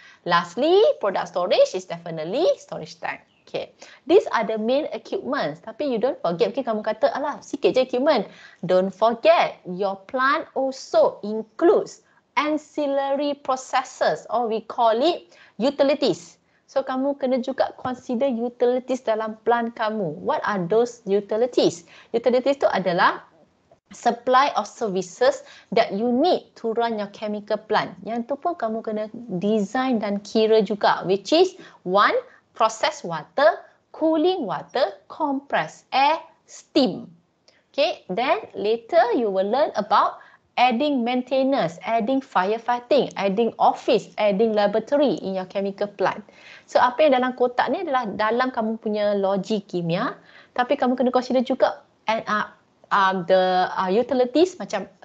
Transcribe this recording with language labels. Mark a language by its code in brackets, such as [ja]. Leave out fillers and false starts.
[en] Lastly, product storage is definitely storage tank. Okay, these are the main equipments. [ms] Tapi [en] you don't forget, [ms] mungkin kamu kata, alah, sikit je [en] equipment. Don't forget, your plant also includes ancillary processes, or we call it utilities. [ms] So kamu kena juga consider utilities dalam plant kamu. [en] What are those utilities? Utilities [ms] tu adalah [en] supply of services that you need to run your chemical plant. [ms] Yang tu pun kamu kena design dan kira juga, [en] which is one, process water, cooling water, compressed air, steam. Okay, then later you will learn about adding maintenance, adding firefighting, adding office, adding laboratory in your chemical plant. [ms] So apa yang dalam kotak ni adalah dalam kamu punya logik kimia, tapi kamu kena consider juga [en] and the utilities [ms] macam